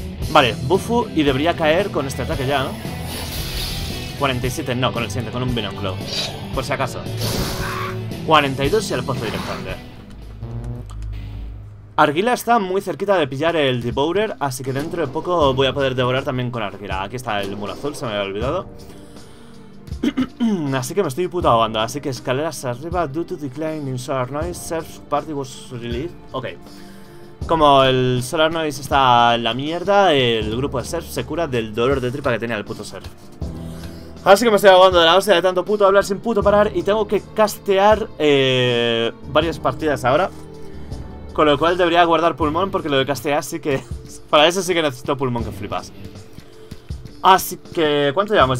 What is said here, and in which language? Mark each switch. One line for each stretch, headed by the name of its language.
Spanish: Vale, buffu y debería caer con este ataque ya, ¿no? 47, no, con el siguiente, con un binoclo. Por si acaso. 42 y al pozo directamente. Arguila está muy cerquita de pillar el Devourer, así que dentro de poco voy a poder devorar también con Arguila. Aquí está el muro azul, se me había olvidado. Así que me estoy puto ahogando. Así que escaleras arriba,
English: due to decline in solar noise, surf party was released. Ok.
Spanish: Como el solar noise está en la mierda, el grupo de surf se cura del dolor de tripa que tenía el puto surf. Así que me estoy ahogando de la hostia de tanto puto hablar sin puto parar y tengo que castear varias partidas ahora. Con lo cual debería guardar pulmón, porque lo de castear sí que... Para eso sí que necesito pulmón, que flipas. Así que... ¿Cuánto llevamos?